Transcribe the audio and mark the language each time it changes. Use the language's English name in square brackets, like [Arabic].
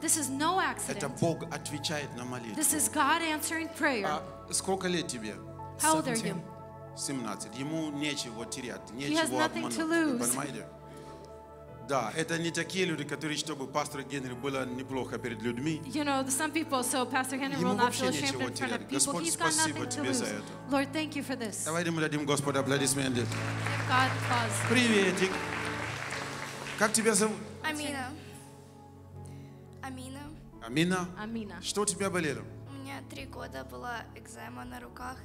[English] This is no accident. [Russian] Это Бог отвечает на молитву. [English] This is God answering prayer. [Russian] А сколько лет тебе? [English] How old are you? 17. [Russian] Ему нечего терять, нечего обманывать. [English] He has nothing to lose. [Russian] Понимаете? Да, это не такие люди, которые, чтобы пастор Генри было неплохо перед людьми. [English] You know, some people, so Pastor Henry will not feel ashamed in front of people. [Russian] Господь, [English] He's got nothing to lose. Lord, thank you for this. [Russian] Давайте мы дадим Господу аплодисменты. [English] God bless. [Russian] Приветик. Как тебя зовут? Амина. Амина. Амина. Амина. Что у тебя болело? У меня три года была экзема на руках.